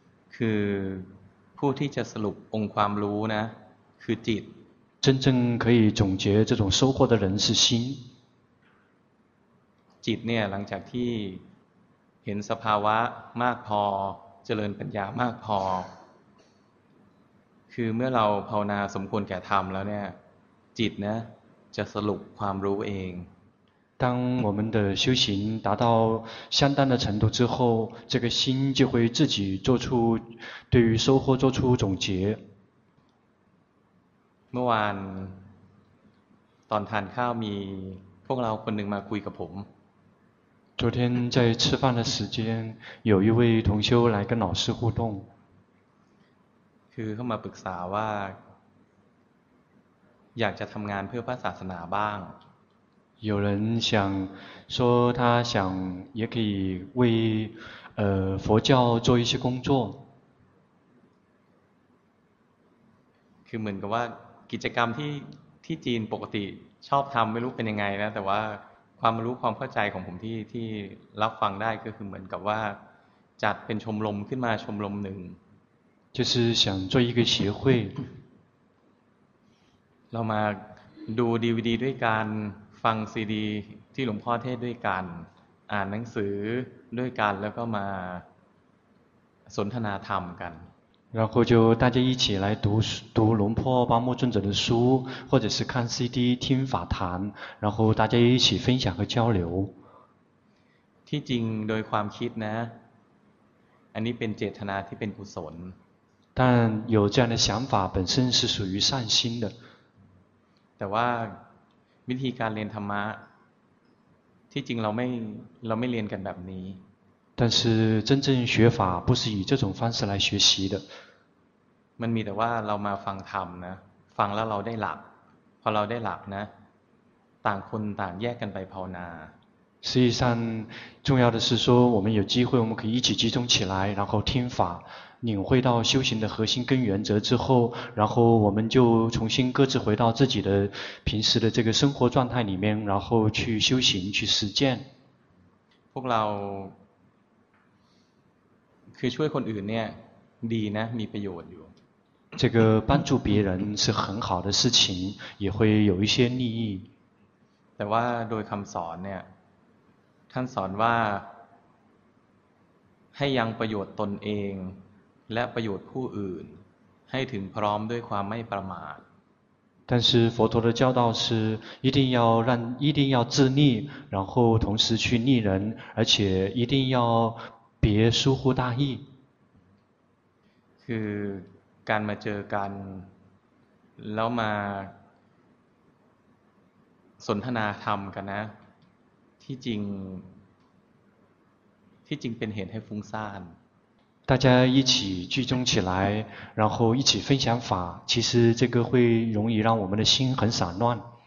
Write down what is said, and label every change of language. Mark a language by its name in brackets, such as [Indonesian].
[Thai] คือผู้ที่จะสรุปองค์ความรู้นะคือจิต [Chinese] 真正可以总结这种收获的人是心 [Thai] จิตเนี่ยหลังจากที่เห็นสภาวะมากพอเจริญปัญญามากพอคือเมื่อเราภาวนาสมควรแก่ธรรมแล้วเนี่ยจิตนะจะสรุปความรู้เอง [Chinese] 当我们的修行达到相当的程度之后这个心就会自己做出对于收获做出总结 [Thai] เมื่อวานตอนทานข้าวมีพวกเราคนหนึ่งมาคุยกับผม [Chinese] 昨天在吃饭的时间有一位同修来跟老师互动 [Thai] คือเข้ามาปรึกษาว่าอยากจะทำงานเพื่อพระศาสนาบ้าง [Chinese] 有人想说他想也可以为佛教做一些工作 [Thai] คือเหมือนกับว่ากิจกรรมที่จีนปกติชอบทำไม่รู้เป็นยังไงนะแต่ว่าความรู้ความเข้าใจของผมที่รับฟังได้ก็คือเหมือนกับว่าจัดเป็นชมรมขึ้นมาชมรมหนึ่ง [Chinese] 就是想做一个协会 [Thai] เรามาดูดีวีดีด้วยกันฟังซีดีที่หลวงพ่อเทศด้วยกันอ่านหนังสือด้วยกันแล้วก็มาสนทนาธรรมกัน [Chinese] 然后就大家一起来读龙坡巴木尊者的书或者是看 CD 听法谈然后大家一起分享和交流 [Thai] ที่จริงโดยความคิดนะอันนี้เป็นเจตนาที่เป็นกุศล [Chinese] 但有这样的想法本身是属于善心的 [Thai] แต่ว่าวิธีการเรียนธรรมะที่จริงเราไม่เรียนกันแบบนี้ [Chinese] 但是真正学法不是以这种方式来学习的。 [Thai] มันมีแต่ว่าเรามาฟังธรรมนะฟังแล้วเราได้หลักพอเราได้หลักนะต่างคนต่างแยกกันไปภาวนา [Chinese] 实际上重要的是说我们有机会我们可以一起集中起来然后听法领会到修行的核心跟原则之后然后我们就重新各自回到自己的平时的这个生活状态里面然后去修行去实践 [Thai] พวกเราคือช่วยคนอื่นเนี่ยดีนะมีประโยชน์อยู่ [Chinese] 这个帮助别人是很好的事情也会有一些利益 [Thai] แต่ว่าโดยคำสอนเนี่ยท่านสอนว่าให้ยังประโยชน์ตนเองและประโยชน์ผู้อื่นให้ถึงพร้อมด้วยความไม่ประมาท [Chinese] 但是佛陀的教导是一定要让一定要自利然后同时去利人而且一定要别疏忽大意 [Thai] คือการมาเจอกันแล้วมาสนทนาธรรมกันนะที่จริงเป็นเหตุให้ฟุ้งซ่าน [Chinese] 大家一起聚众起来然后一起分享法其实这个会容易让我们的心很散乱